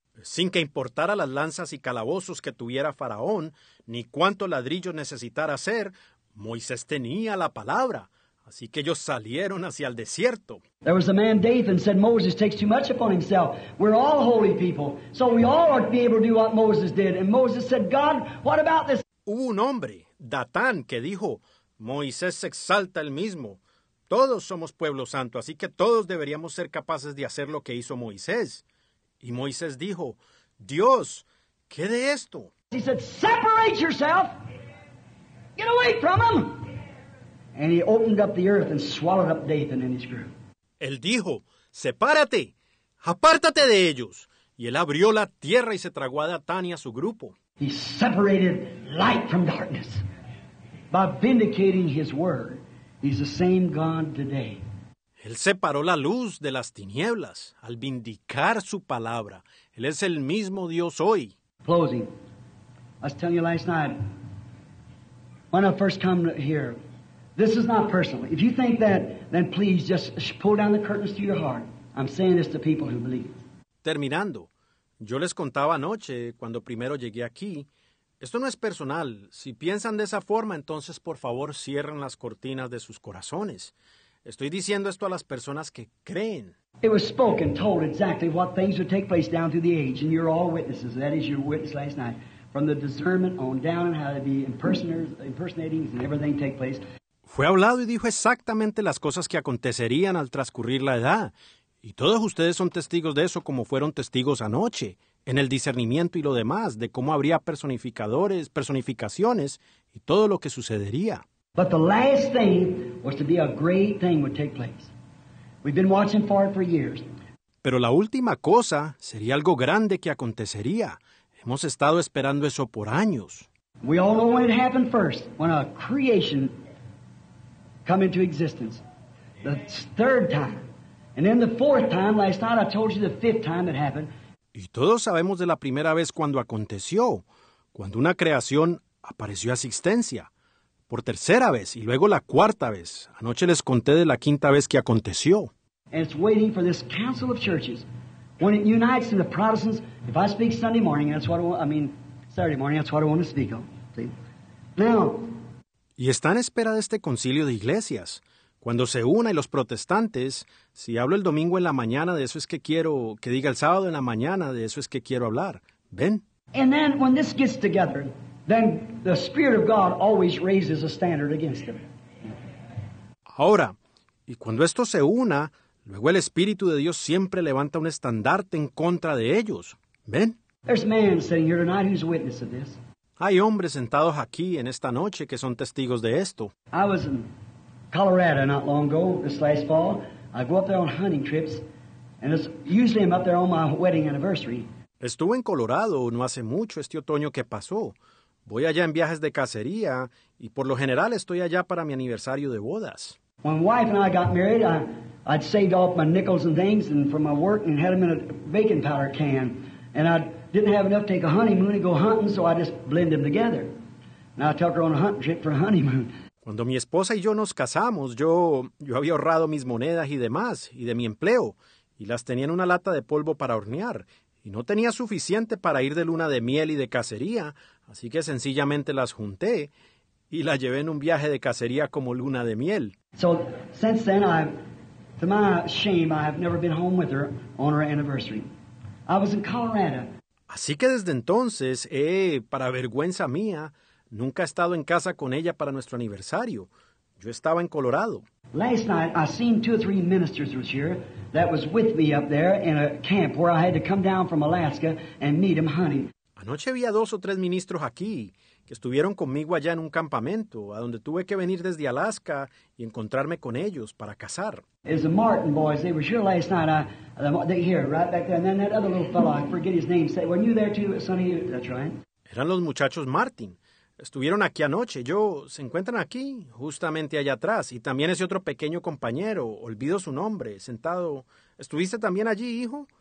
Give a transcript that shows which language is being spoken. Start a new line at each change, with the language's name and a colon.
Spanish: Sin que importara las lanzas y calabozos que tuviera Faraón, ni cuánto ladrillo necesitara hacer, Moisés tenía la palabra. Así que ellos salieron hacia el desierto.
English: There was a man, Dathan, said Moses takes too much upon himself. We're all holy people, so we all ought to be able to do what Moses did. And Moses said, God, what about this?
Spanish: Hubo un hombre, Datán, que dijo, Moisés se exalta el mismo. Todos somos pueblo santo, así que todos deberíamos ser capaces de hacer lo que hizo Moisés. Y Moisés dijo, Dios, ¿qué de esto?
English: He said, separate yourself. Get away from him. And he opened up the earth and swallowed up Dathan and his group.
Spanish: Él dijo, sepárate, apártate de ellos. Y él abrió la tierra y se tragó a Datán y a su grupo.
English: He separated light from darkness by vindicating his word. He's the same God today.
Spanish: Él separó la luz de las tinieblas al vindicar su palabra. Él es el mismo Dios hoy.
English: Closing. I was telling you last night, when I first come here, this is not personal. If you think that, then please just pull down the curtains to your heart. I'm saying this to people who believe.
Spanish: Terminando, yo les contaba anoche, cuando primero llegué aquí, esto no es personal. Si piensan de esa forma, entonces por favor cierren las cortinas de sus corazones. Estoy diciendo esto a las personas que creen.
English: It was spoken, told exactly what things would take place down through the age, and you're all witnesses. That is your witness last night. From the discernment on down and how to be impersonating and everything take place.
Spanish: Fue hablado y dijo exactamente las cosas que acontecerían al transcurrir la edad. Y todos ustedes son testigos de eso como fueron testigos anoche, en el discernimiento y lo demás, de cómo habría personificadores, personificaciones y todo lo que sucedería.
English: But the last thing was to be a great thing would take place. We've been watching for it for years.
Spanish: Pero la última cosa sería algo grande que acontecería. Hemos estado esperando eso por años.
English: We all know when it happened first, when a creation come into existence. The third time. And then the fourth time, last night I told you the fifth time it happened.
Spanish: Y todos sabemos de la primera vez cuando aconteció, cuando una creación apareció a existencia, por tercera vez y luego la cuarta vez. Anoche les conté de la quinta vez que aconteció.
English: And it's waiting for this council of churches. When it unites in the Protestants, if I speak Sunday morning, that's what Saturday morning, that's what I want to speak of. See? Now,
Spanish: y está en espera de este concilio de iglesias. Cuando se una y los protestantes, si hablo el domingo en la mañana, de eso es que quiero, que diga el sábado en la mañana, de eso es que quiero hablar. Ven.
English: And then when this gets together, then the Spirit of God always raises a standard against them.
Spanish: Ahora, y cuando esto se una, luego el Espíritu de Dios siempre levanta un estandarte en contra de ellos. Ven.
English: There's a man sitting here tonight who's a witness of this.
Spanish: Hay hombres sentados aquí en esta noche que son testigos de esto.
English: I was in Colorado not long ago, this last fall. I go up there on hunting trips, and it's usually I'm up there on my wedding anniversary.
Spanish: Estuve en Colorado no hace mucho este otoño que pasó. Voy allá en viajes de cacería, y por lo general estoy allá para mi aniversario de bodas.
English: When my wife and I got married, I'd saved off my nickels and things and from my work and had them in a baking powder can, and I'd didn't have enough to take a honeymoon and go hunting, so I just blend them together. And I took her on a hunting trip for a honeymoon.
Spanish: Cuando mi esposa y yo nos casamos, yo había ahorrado mis monedas y demás, y de mi empleo, y las tenía en una lata de polvo para hornear, y no tenía suficiente para ir de luna de miel y de cacería, así que sencillamente las junté y las llevé en un viaje de cacería como luna de miel.
English: So, since then, to my shame, I have never been home with her on her anniversary. I was in Colorado.
Spanish: Así que desde entonces, para vergüenza mía, nunca he estado en casa con ella para nuestro aniversario. Yo estaba en Colorado.
English: Last night, I seen two or three ministers was here that was with me up there in a camp where I had to come down from Alaska and meet them hunting.
Spanish: Anoche vi a dos o tres ministros aquí que estuvieron conmigo allá en un campamento a donde tuve que venir desde Alaska y encontrarme con ellos para cazar.
English: It was the Martin boys. They were here last night. They're here, right back there. And then that other little fellow, I forget his name. Say, weren't you there too, Sonny? That's right.
Spanish: Eran los muchachos Martin. Estuvieron aquí anoche. Se encuentran aquí, justamente allá atrás. Y también ese otro pequeño compañero, olvido su nombre, sentado. ¿Estuviste también allí, hijo?